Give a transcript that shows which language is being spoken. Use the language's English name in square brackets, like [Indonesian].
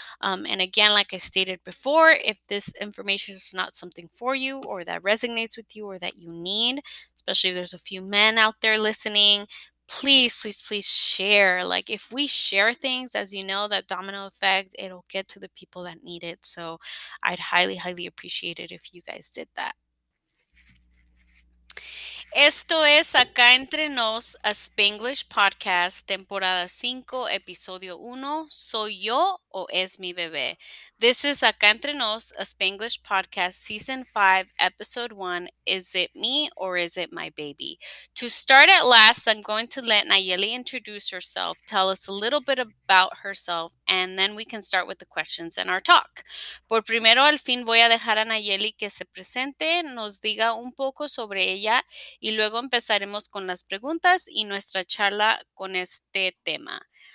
[English] And again, like I stated before, if this information is not something for you or that resonates with you or that you need, especially if there's a few men out there listening, please, please, please share. Like, if we share things, as you know, that domino effect, it'll get to the people that need it. So I'd highly, highly appreciate it if you guys did that. [Spanish] Esto es Acá Entre Nos, [English] a Spanglish podcast, [Spanish] temporada 5, episodio 1, ¿Soy yo o es mi bebé? [English] This is Acá Entre Nos, a Spanglish podcast, season 5, episode 1, ¿Is it me or is it my baby? To start at last, I'm going to let Nayeli introduce herself, tell us a little bit about herself, and then we can start with the questions and our talk. [Spanish] Por primero, al fin, voy a dejar a Nayeli que se presente, nos diga un poco sobre ella, y luego empezaremos con las preguntas y nuestra charla con este tema.